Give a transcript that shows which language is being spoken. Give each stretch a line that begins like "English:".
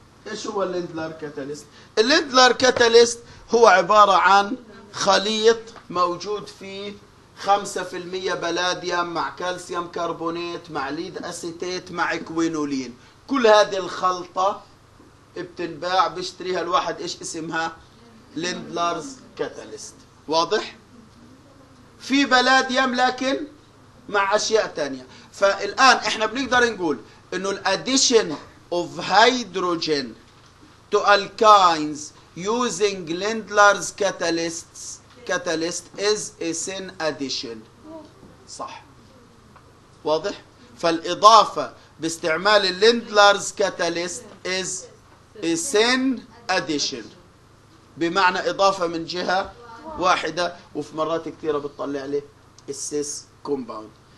Arabic: ايش هو الليندلر كاتاليست؟ الليندلر كاتاليست هو عبارة عن خليط موجود فيه 5% بلاديوم مع كالسيوم كربونيت مع ليد أسيتات مع كوينولين. كل هذه الخلطة بتنباع، بيشتريها الواحد، إيش اسمها؟ ليندلرز كاتاليست. واضح؟ في بلاديوم لكن مع أشياء تانية. فالآن إحنا بنقدر نقول إنه الأديشن
English: of hydrogen to alkynes using Lindlar's catalysts catalyst is a sin addition.
Arabic: صح، واضح؟ فالإضافة باستعمال
English: Lindlar's catalyst is a sin addition،
Arabic: بمعنى إضافة من جهة واحدة، وفي مرات كثيرة بتطلع لي السيس كومباوند.